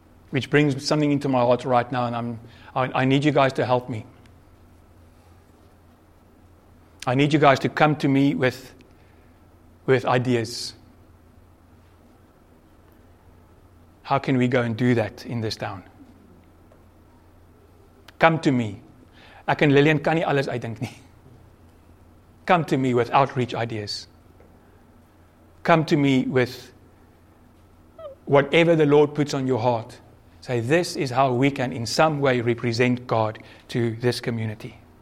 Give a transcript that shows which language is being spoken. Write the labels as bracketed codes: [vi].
[en] Which brings something into my heart right now, and I need you guys to help me. I need you guys to come to me with ideas. How can we go and do that in this town? Come to me. [af] Ek en Lillian kan nie alles uitdink nie. [en] Come to me with outreach ideas. Come to me with whatever the Lord puts on your heart. Say, this is how we can in some way represent God to this community.